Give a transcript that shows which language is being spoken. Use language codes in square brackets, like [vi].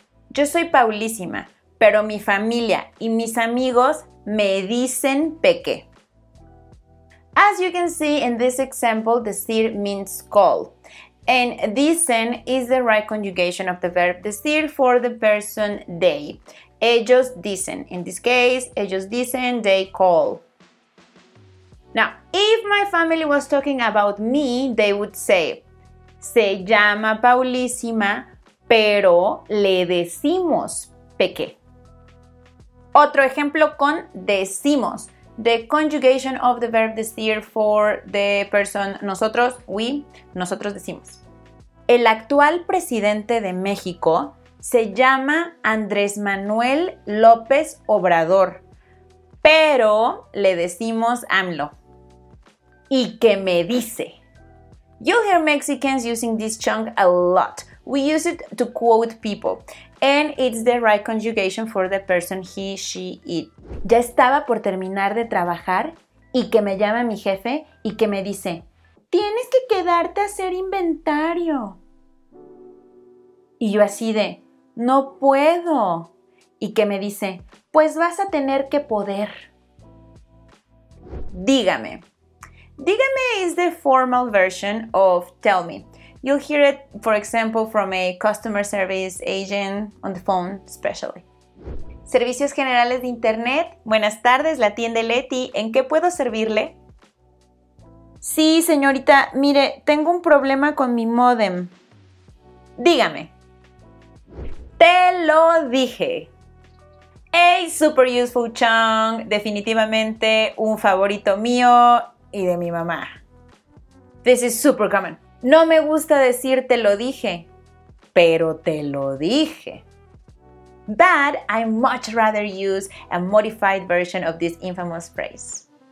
[es] Yo soy Paulísima, pero mi familia y mis amigos me dicen Peque. [en] As you can see in this example, decir means call. And dicen is the right conjugation of the verb decir for the person they. [es] Ellos dicen. [en] In this case, ellos dicen, they call. Now, if my family was talking about me, they would say, [es] se llama Paulísima, pero le decimos Peque. Otro ejemplo con decimos. [en] The conjugation of the verb decir for the person nosotros, we, nosotros decimos. [es] El actual presidente de México se llama Andrés Manuel López Obrador, pero le decimos AMLO. ¿Y qué me dice? [en] You'll hear Mexicans using this chunk a lot. We use it to quote people. And it's the right conjugation for the person he, she, it. [es] Ya estaba por terminar de trabajar y que me llama mi jefe y que me dice, tienes que quedarte a hacer inventario. Y yo así de, no puedo. Y que me dice, pues vas a tener que poder. Dígame. [en] Dígame is the formal version of tell me. You'll hear it, for example, from a customer service agent on the phone, especially. [es] Servicios generales de internet. Buenas tardes, la tienda Leti. ¿En qué puedo servirle? Sí, señorita. Mire, tengo un problema con mi módem. Dígame. Te lo dije. [en] A super useful chunk. [es] Definitivamente un favorito mío y de mi mamá. [en] This is super common. [es] No me gusta decir te lo dije, pero te lo dije. [en] But I much rather use a modified version of this infamous phrase.